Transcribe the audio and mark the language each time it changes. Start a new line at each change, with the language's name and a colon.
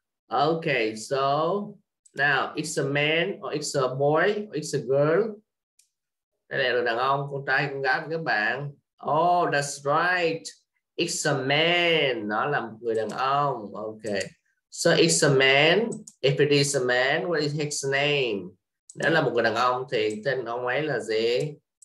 English: Okay, so now it's a man or it's a boy or it's a girl.
Vietnamese: Đây là đàn ông, con trai, con gái các bạn.
English: Oh, that's right. It's a man.
Vietnamese: Nó là một người đàn ông. Okay.
English: So it's a man. If it is a man, what is his name?
Vietnamese: Nếu là một người đàn ông thì tên ông ấy là gì?